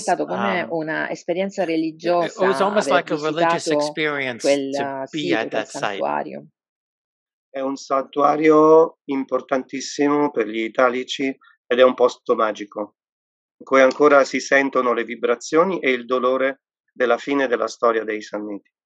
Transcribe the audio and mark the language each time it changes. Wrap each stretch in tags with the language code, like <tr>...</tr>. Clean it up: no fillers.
<it>È stato come una esperienza religiosa.</it> <en>It was almost like a religious experience to be at that sanctuario.</en> <it>È un santuario importantissimo per gli italici. Ed è un posto magico, in cui ancora si sentono le vibrazioni e il dolore della fine della storia dei Sanniti.</it>